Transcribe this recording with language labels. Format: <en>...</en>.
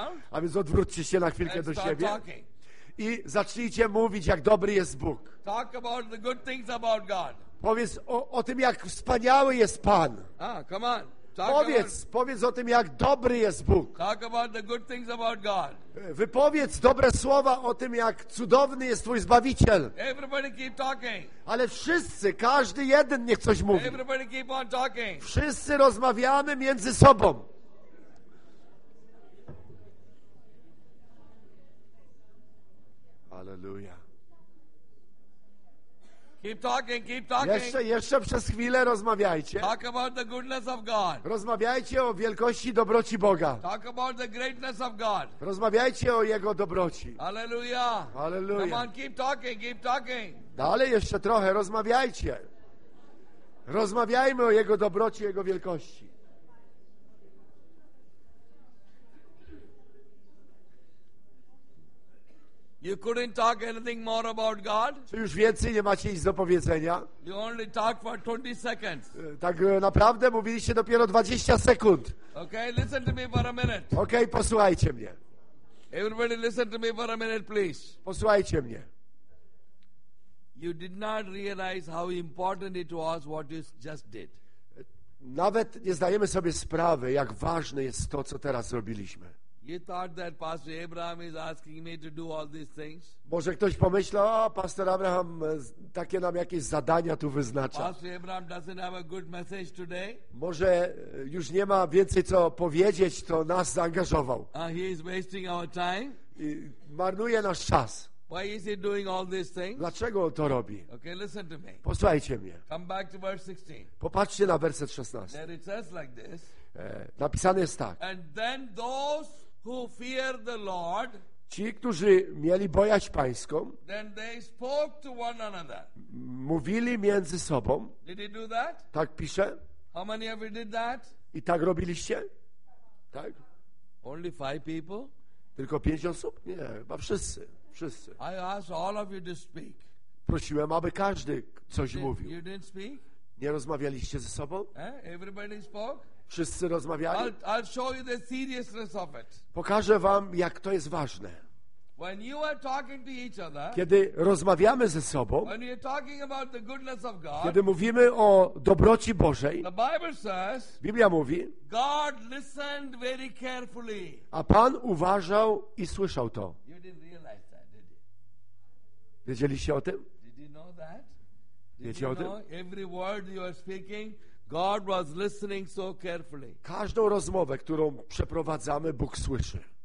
<pl>A więc odwróćcie się na chwilkę do siebie. I zacznijcie mówić, jak dobry jest Bóg.</pl> <en>Talk about the good things about God.</en> <pl>Powiedz o tym, jak wspaniały jest Pan.</pl> <en>Ah, come on. Talk</en> <pl>powiedz o tym, jak dobry jest Bóg.</pl> <en>Talk about the good things about God.</en> <pl>Wypowiedz dobre słowa o tym, jak cudowny jest Twój Zbawiciel.</pl> <en>Everybody keep talking.</en> <pl>Ale wszyscy, każdy jeden niech coś mówi.</pl> <en>Everybody keep on talking.</en> <pl>Wszyscy rozmawiamy między sobą. Hallelujah.</pl> <en>Keep talking.</en> <pl>Jeszcze przez chwilę rozmawiajcie.</pl> <en>Talk about the goodness of God.</en> <pl>Rozmawiajcie o wielkości i dobroci Boga.</pl> <en>Talk about the greatness of God.</en> <pl>Rozmawiajcie o Jego dobroci. Hallelujah. Hallelujah.</pl> <en>Come on, keep talking.</en> <pl>Dalej jeszcze trochę, rozmawiajcie. Rozmawiajmy o Jego dobroci, Jego wielkości.</pl> <en>You couldn't talk anything more about God?</en> <pl>Czy już więcej nie macie nic do powiedzenia?</pl> <en>You only talk for 20 seconds.</en> <pl>Tak naprawdę mówiliście dopiero 20 sekund.</pl> <en>Okay, listen to me for a minute.</en> <pl>Okay, posłuchajcie mnie.</pl> <en>Everybody listen to me for a minute, please.</en> <pl>Posłuchajcie mnie.</pl> <en>You did not realize how important it was what you just did.</en> <pl>Nawet nie zdajemy sobie sprawy, jak ważne jest to, co teraz zrobiliśmy.</pl> <en>You thought that Pastor Abraham is asking me to do all these things?</en> <pl>Może ktoś pomyślał, a Pastor Abraham takie nam jakieś zadania tu wyznacza.</pl> <en>Pastor Abraham doesn't have a good message today?</en> <pl>Może już nie ma więcej co powiedzieć, to nas zaangażował.</pl> <en>He is wasting our time?</en> <pl>I marnuje nasz czas.</pl> <en>Why is he doing all these things?</en> <pl>Dlaczego on to robi?</pl> <en>Okay, listen to me.</en> <pl>Posłuchajcie mnie.</pl> <en>Come back to verse 16.</en> <pl>Popatrzcie na werset 16.</pl> <en>There it says like this.</en> <pl>Napisane jest tak.</pl> <en>And then those who fear the Lord,</en> <pl>ci, którzy mieli bojaźń pańską,</pl> <en>then they spoke to one another.</en> <pl>Mówili między sobą.</pl> <en>Did he do that?</en> <pl>Tak pisze.</pl> <en>How many of you did that?</en> <pl>I tak robiliście? Tak?</pl> <en>Only five people?</en> <pl>Tylko pięć osób? Nie, chyba wszyscy. Wszyscy.</pl> <en>I asked all of you to speak.</en> <pl>Prosiłem, aby każdy coś mówił.</pl> <en>You didn't speak?</en> <pl>Nie rozmawialiście ze sobą?</pl> <en>Everybody spoke?</en> <pl>Wszyscy rozmawiali?</pl> <en>I'll show you the seriousness of it.</en> <pl>Pokażę wam, jak to jest ważne.</pl> <en>When you are talking to each other,</en> <pl>kiedy rozmawiamy ze sobą,</pl> <en>when you're talking about the goodness of God,</en> <pl>kiedy mówimy o dobroci Bożej,</pl> <en>the Bible says,</en> <pl>Biblia mówi,</pl> <en>God listened very carefully.</en> <pl>A Pan uważał i słyszał to.</pl> <en>You didn't realize that, did you?</en> <pl>Wiedzieliście o tym?</pl> <en>Did you know that? Did</en> <pl>Wiecie</pl> <en>you</en> <pl>o tym?</pl> <en>Every word you are speaking, God was listening so carefully.</en> <pl>Każdą rozmowę, którą przeprowadzamy, Bóg słyszy.</pl>